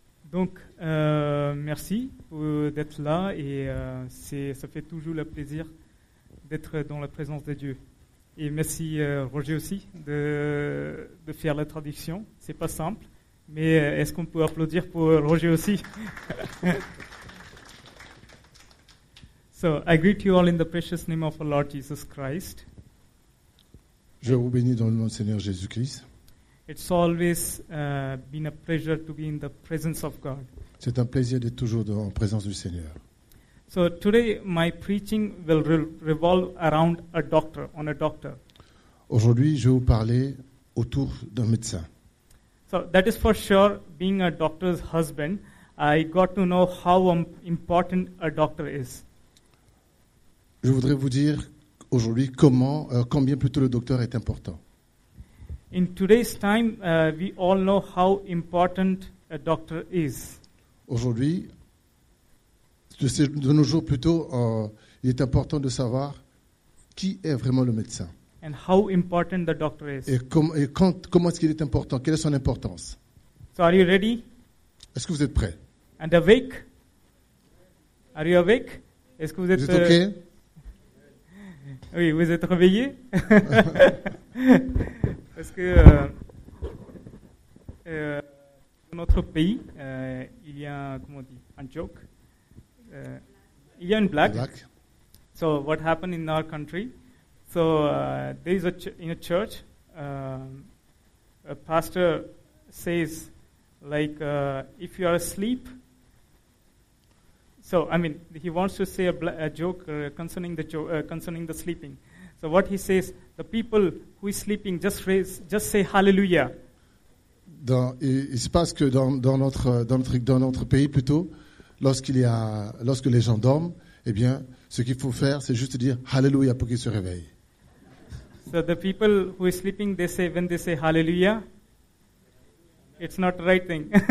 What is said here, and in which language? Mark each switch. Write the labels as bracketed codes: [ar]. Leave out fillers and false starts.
[fr] Donc, merci d'être là et ça fait toujours le plaisir d'être dans la présence de Dieu. Et merci Roger aussi de faire la traduction. C'est pas simple, mais est-ce qu'on peut applaudir pour Roger aussi? [en] So I greet you all in the precious name of our Lord Jesus Christ. [fr] Je vous bénis dans le nom de Seigneur Jésus Christ. [en] It's always been a pleasure to be in the presence of God. [fr] C'est un plaisir d'être toujours en présence du Seigneur. [en] So today my preaching will revolve around a doctor, on a doctor. [fr] Aujourd'hui, je vais vous parler autour d'un médecin. [en] So that is for sure, being a doctor's husband, I got to know how important a doctor is. [fr] Je voudrais vous dire aujourd'hui comment combien plutôt le docteur est important. [en] In today's time, we all know how important a doctor is. [fr] Aujourd'hui, de nos jours plutôt, il est important de savoir qui est vraiment le médecin. [en] And how important the doctor is. [fr] Comment est-ce qu'il est important? Quelle est son importance? [en] So are you ready? [fr] Est-ce que vous êtes prêt? [en] And awake? Are you awake? [fr] Est-ce que vous êtes okay? Oui, vous êtes réveillé. Parce que dans notre pays, il y a, comment on dit, un joke. Il y a une blague. [en] So what happened in our country? So there is a in a church, a pastor says, like, if you are asleep. So, I mean, he wants to say a joke concerning the sleeping. So what he says, the people who is sleeping, just say hallelujah. [fr] Il se passe que dans notre pays plutôt, lorsque les gens dorment, eh bien, ce qu'il faut faire, c'est juste dire hallelujah pour qu'ils se réveillent. [en] So the people who is sleeping, when they say hallelujah, it's not the right thing.